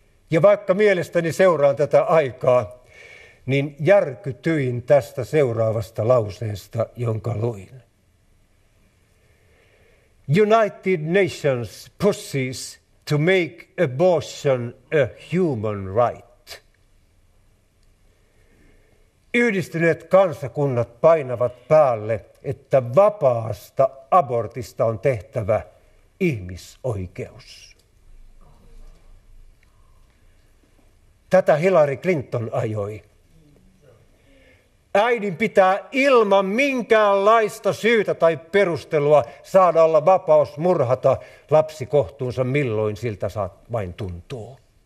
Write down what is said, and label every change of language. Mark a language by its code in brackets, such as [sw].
[fi] Ja vaikka mielestäni seuraan tätä aikaa, niin järkytyin tästä seuraavasta lauseesta, jonka luin. [en] United Nations pushes to make abortion a human right. [fi] Yhdistyneet kansakunnat painavat päälle, että vapaasta abortista on tehtävä ihmisoikeus. Tätä Hillary Clinton ajoi. Äidin pitää ilman minkäänlaista syytä tai perustelua saada olla vapaus murhata lapsi kohtuunsa milloin siltä vain tuntuu.